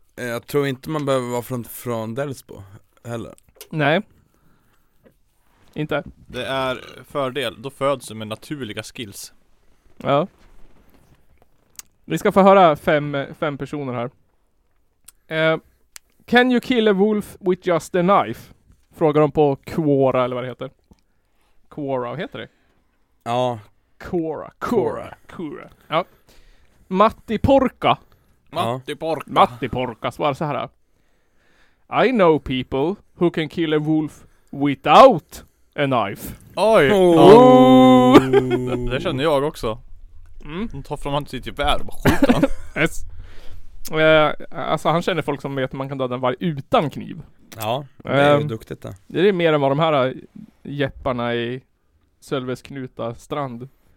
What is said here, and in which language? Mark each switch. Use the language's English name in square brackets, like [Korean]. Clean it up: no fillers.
[Swedish] Jag tror inte man behöver vara från Delsbo heller. Nej. Inte. Det är fördel. Då föds du med naturliga skills. Ja. Vi ska få höra fem personer här. [English] Can you kill a wolf with just a knife? [Swedish] Frågar de på Quora eller vad det heter. Quora, vad heter det? Ja. Quora. Ja. Matti Porka. Matti Porka svarar så här. [English] I know people who can kill a wolf without a knife. [Swedish] Oj. [English] Oh. Oh. [Swedish] Det känner jag också. Mm. Tar fram han sitt gevär och skjuter han. [English] Yes. [Swedish] Alltså han känner folk som vet att man kan döda en varg utan kniv. Ja, det är ju duktigt då. Det är mer än vad de här jepparna i Sölves Knuta strand.